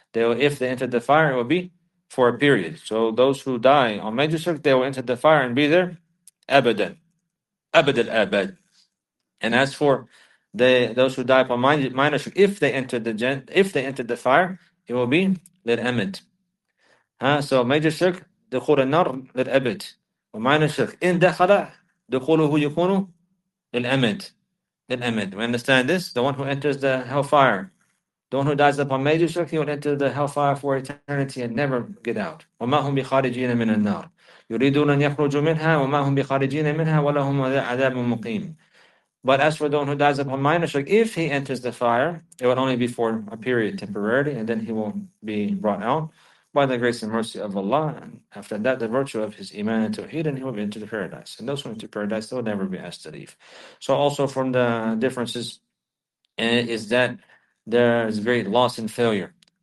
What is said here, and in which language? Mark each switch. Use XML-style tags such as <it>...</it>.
<en>If they enter the fire, it will be for a period. So those who die on major shirk, they will enter the fire and be there abadan. Abad al-abad. And as for those who die upon minor shirk, if they enter the fire, it will be lil amad. So major</en> <ar>شرك دخول النار للأبد، ومعنى الشرك إن دخل دخوله يكون للأمد. للأمد.</ar> <en>We understand this? The one who enters the hellfire, the one who dies upon major shirk, he will enter the hellfire for eternity and never get out.</en> <ar>وما هم بخارجين من النار يريدون أن يخرجوا منها وما هم بخارجين منها ولهم عذاب مقيم.</ar> <en>But as for the one who dies upon minor shirk, if he enters the fire, it will only be for a period temporarily, and then he will be brought out by the grace and mercy of Allah. And after that, the virtue of his iman and tawheed, and he will be into the paradise. And those who enter paradise, they will never be asked to leave. So also from the differences is that there is great loss and failure.</en>